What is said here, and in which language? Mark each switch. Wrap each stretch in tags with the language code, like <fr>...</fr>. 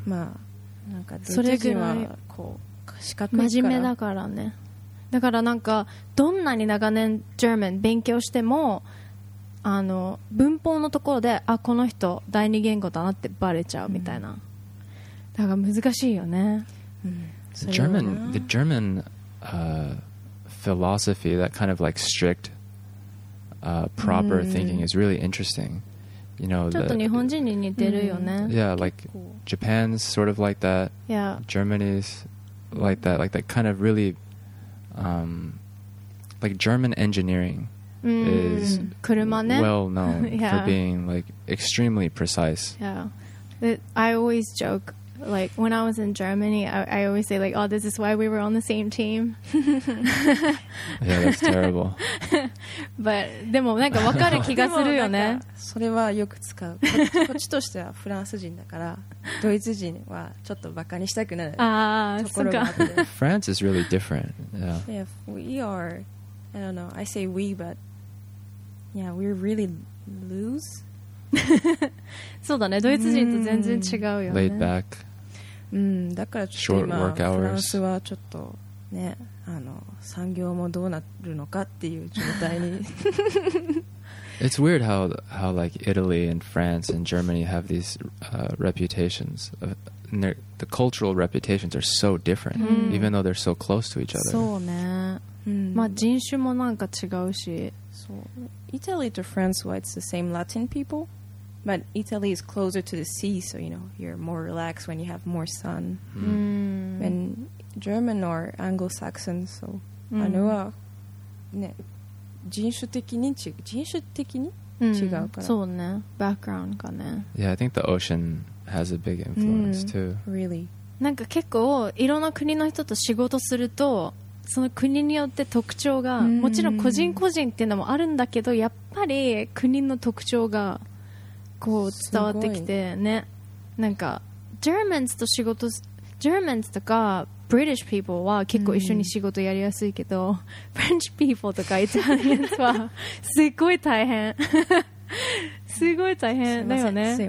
<ja>まあなんかそれぐらいこう真面目だからねだからなんかどんなに長年 German 勉強してもあの文法のところであこの人第二言語だなってバレちゃうみたいな、うんだから難しいよね。うん、</ja> <en>German, the German、philosophy, that kind of like strict、proper、うん、thinking is really interesting. You know,</en> <ja>ちょっと日本人に似てるよね。うん、</ja> <en>yeah, like Japan's sort of like that. Yeah. Germany's like that. Like that kind of really、like German engineering、うん、 is、ね、 well known 、 yeah. for being like extremely precise. Yeah. It, I always joke. Like when I was in Germany, I always say like, "Oh, this is why we were on the same team." yeah, that's terrible.</en> <ja>But でもなんかわかる気がするよね。それはよく使う。こっちとしてはフランス人だから、ドイツ人はちょっとバカにしたくなるところがあって。</ja> <en>France is really different. Yeah. Yeah, we are. I don't know. I say we, but yeah, we're really loose.</en> <ja>そうだね、ドイツ人と全然違うよね。</ja> <en>Laid back.</en> <ja>うん、だからちょっと今フランスはちょっとね、あの産業もどうなるのかっていう状態に。</ja> <en>It's weird how like Italy and France and Germany have these、reputations. The cultural reputations are so different,、うん、even though they're so close to each other.</en> <ja>そうね。うん、まあ人種もなんか違うし。そう。</ja> <en>Italy to France, why it's the same Latin people? But Italy is closer to the sea, so you know, you're more relaxed when you have more sun. Mm. And German or Anglo-Saxon, so... Mm.</en> <ja>あのは、ね、人種的に違うから。 Mm. そうね。Background かね。</ja> <en>Yeah, I think the ocean has a big influence, mm. too. Really?</en> <ja>なんか結構、いろんな国の人と仕事すると、その国によって特徴が、mm. もちろん個人個人っていうのもあるんだけど、やっぱり国の特徴が、こう伝わってきてね、なんか Germans と仕事 Germans とか British people は結構一緒に仕事やりやすいけど、うん、French people とか Italians はすごい大変すごい大変だよね</ja>